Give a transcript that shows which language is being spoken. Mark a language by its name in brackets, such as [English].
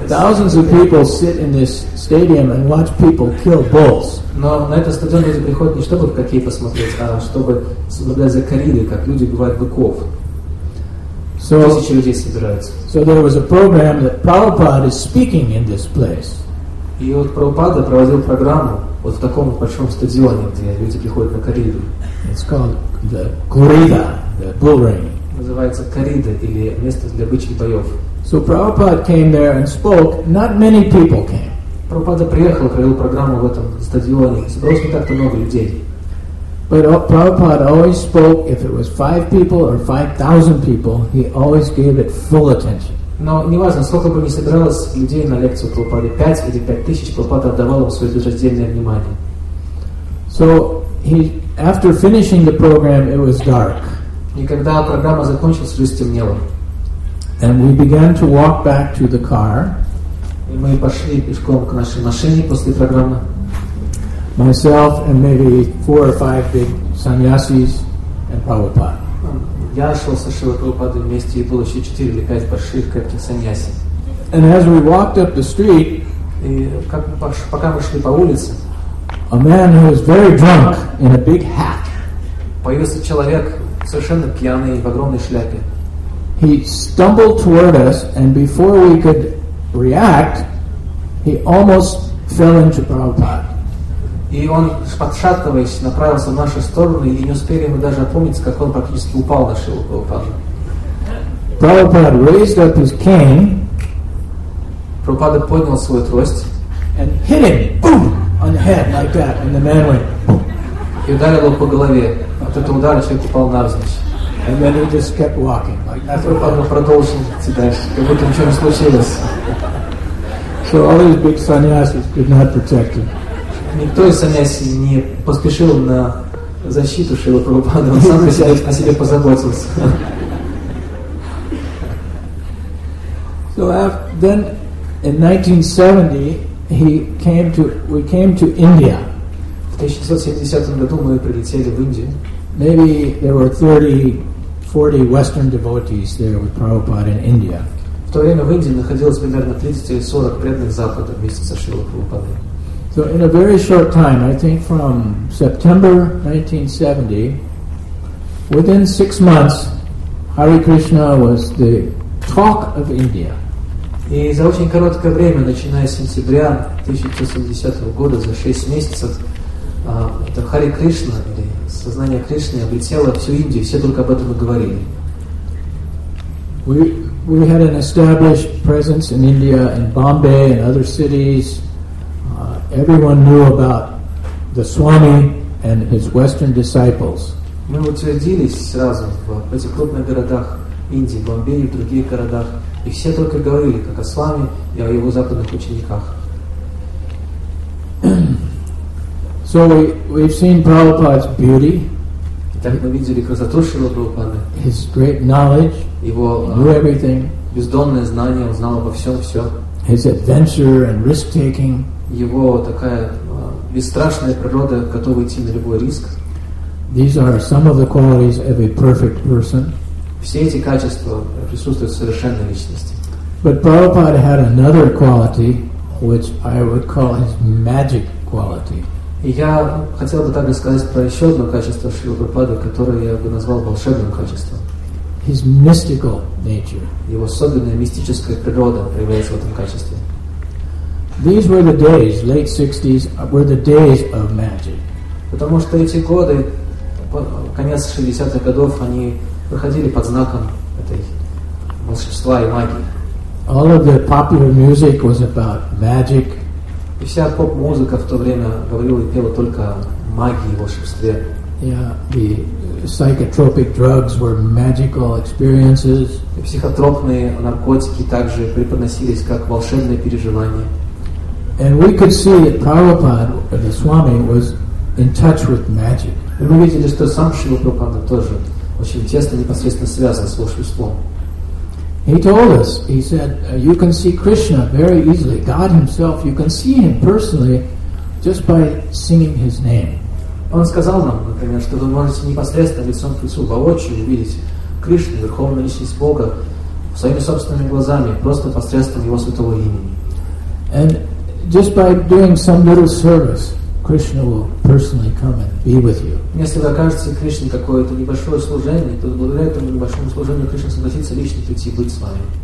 [English] thousands of people sit in this stadium and watch people kill bulls. [Russian] Но на этот стадион люди приходят не чтобы в хоккей посмотреть, а чтобы наблюдать за коридой, как люди убивают быков. [English] So, [Russian] тысячи людей собираются. [English] So there was a program that Prabhupada is speaking in this place. [Russian] И вот Прабхупада проводил программу в вот в таком большом стадионе, где люди приходят на корриду. [English] It's called the corrida, the bull ring. [Russian] Называется корида или место для бычьих боев. [English] So Prabhupada came there and spoke. Not many people came. [Russian] Прабхупада приехал, провел программу в этом стадионе. Собралось не так-то много людей. [English] But Prabhupada always spoke, if it was 5 people or 5,000 people, he always gave it full attention. [Russian] Но неважно, сколько бы ни собиралось людей на лекцию Прабхупады, 5 или 5,000, Прабхупада отдавал им свое безраздельное внимание. [English] So he, after finishing the program, it was dark. [Russian] И когда программа закончилась, уже стемнело. [English] And we began to walk back to the car. [Russian] И мы пошли пешком к нашей машине после программы. [English] Myself and maybe 4 or 5 big sannyasis and Prabhupada. [Russian] Я шел со Шрилой Прабхупадой вместе, и было еще 4 или 5 больших крепких саньяси. [English] And as we walked up the street, [Russian] пока мы шли по улице, [English] a man who was very drunk in a big hat. [Russian] Появился человек совершенно пьяный в огромной шляпе. [English] He stumbled toward us, and before we could react, he almost fell into Prabhupada. [Russian] И он, подшатываясь, направился в нашу сторону, и не успели мы даже опомниться, как он практически упал на Шрилу Прабхупаду. [English] Prabhupada raised up his cane. [Russian] Прабхупада поднял свою трость. [English] And hit him, boom, on the head, like that, and the man went, [Russian] boom. И ударил его по голове. От этого удара человек упал навзничь. [English] And then he just kept walking, like that. [Russian] Прабхупада продолжил идти дальше, как будто ничего не случилось. [English] So all these big sannyasis could not protect him. [Russian] Никто из саньяси не поспешил на защиту Шрилы Прабхупады. Он сам о себе позаботился. [English] So after, then in 1970 we came to India. [Russian] В 1970 году мы прилетели в Индию. [English] Maybe there were 30-40 Western devotees there with Prabhupada in India. [Russian] В то время в Индии находилось примерно 30 или 40 преданных Запада вместе со Шрилой Прабхупадой. [English] So in a very short time, I think from September 1970, within 6 months, Hare Krishna was the talk of India. [Russian] И за очень короткое время, начиная с сентября 1970 года, за 6 месяцев, это Hare Krishna, или сознание Кришны, облетело всю Индию, все только об этом и говорили. [English] We had an established presence in India, in Bombay and other cities. Everyone knew about the Swami and his Western disciples. [Russian] Мы утвердились сразу в этих крупных городах Индии, в Бомбее и в других городах, и все только говорили как о Свами и о его западных учениках. [English] So we've seen Prabhupada's beauty. [Russian] Итак, мы видели красоту Шрилы Прабхупады. [English] His great knowledge. [Russian] Его [English] knew everything. [Russian] Бездонное знание, он знал обо всем все. [English] His adventure and risk-taking. [Russian] Его такая бесстрашная природа, готова идти на любой риск. [English] These are some of the qualities of a perfect person. [Russian] Все эти качества присутствуют в совершенной личности. [English] But Prabhupada had another quality, which I would call his magic quality. [Russian] И я хотел бы также сказать про еще одно качество Шрилы Прабхупады, которое я бы назвал волшебным качеством. [English] His mystical nature. [Russian] Его особенная мистическая природа проявляется в этом качестве. [English] These were the days, late 60s, were the days of magic. [Russian] Потому что эти годы, конец 60-х годов, они проходили под знаком этой волшебства и магии. [English] All of the popular music was about magic. [Russian] И вся поп-музыка в то время говорила и пела только о магии и волшебстве. [English] Yeah, the psychotropic drugs were magical experiences. [Russian] И психотропные наркотики также преподносились как волшебные переживания. [English] And we could see that Prabhupada, the Swami, was in touch with magic. [Russian] Мы видели, что сам Шрила Прабхупада тоже очень тесно непосредственно связан с волшебством. [English] He told us, he said, you can see Krishna very easily. God himself, you can see him personally just by singing his name. [Russian] Он сказал нам, например, что вы можете непосредственно лицом к лицу воочию увидеть Кришну, Верховную Личность Бога, своими собственными глазами, просто посредством Его Святого Имени. [English] And just by doing some little service, Krishna will personally come and be with you. [Russian] Если вы окажете Кришне какое-то небольшое служение, то благодаря этому небольшому служению Кришна согласится лично прийти и быть с вами.